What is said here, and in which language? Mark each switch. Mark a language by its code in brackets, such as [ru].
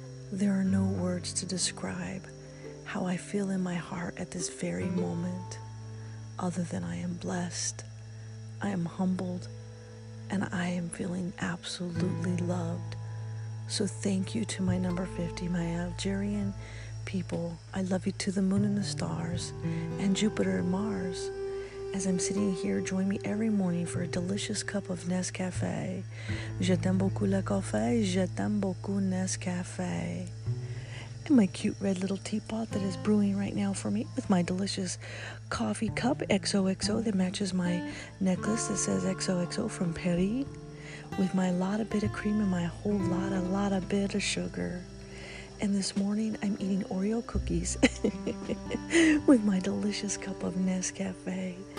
[en] There are no words to describe how I feel in my heart at this very moment, other than I am blessed, I am humbled, and I am feeling absolutely loved. So thank you to my number 50, my Algerian people. I love you to the moon and the stars and Jupiter and Mars. As I'm sitting here, join me every morning for a delicious cup of Nescafe. [fr] Je t'aime beaucoup le café, je t'aime beaucoup Nescafe. [en] And my cute red little teapot that is brewing right now for me with my delicious coffee cup XOXO that matches my necklace that says XOXO from Paris, with my lotta bit of cream and my whole lotta bit of sugar. And this morning, I'm eating Oreo cookies with my delicious cup of Nescafe.